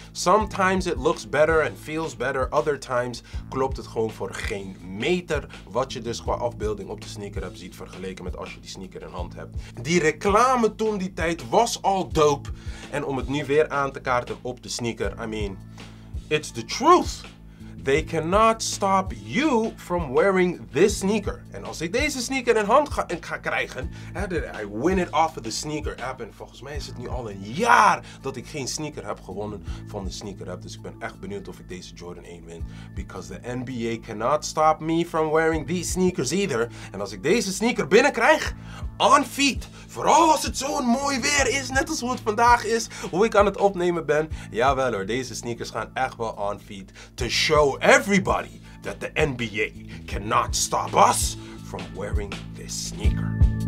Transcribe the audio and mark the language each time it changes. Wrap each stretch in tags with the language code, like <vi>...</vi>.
<en>Sometimes it looks better and feels better. Other times</en> <nl>klopt het gewoon voor geen meter wat je dus qua afbeelding op de sneaker hebt ziet vergeleken met als je die sneaker in hand hebt. Die reclame toen die tijd was al dope. En om het nu weer aan te kaarten op de sneaker,</nl> <en>I mean, it's the truth. they cannot stop you from wearing this sneaker.</en> <nl>En als ik deze sneaker in hand ga krijgen,</nl> <en>I win it off of the sneaker app.</en> <nl>En volgens mij is het nu al een jaar dat ik geen sneaker heb gewonnen van de sneaker app. Dus ik ben echt benieuwd of ik deze Jordan 1 win.</nl> <en>Because the NBA cannot stop me from wearing these sneakers either.</en> <nl>En als ik deze sneaker binnenkrijg, on feet. Vooral als het zo'n mooi weer is, net als hoe het vandaag is, hoe ik aan het opnemen ben. Jawel hoor, deze sneakers gaan echt wel on feet.</nl> <en>To show everybody that the NBA cannot stop us from wearing this sneaker.</en>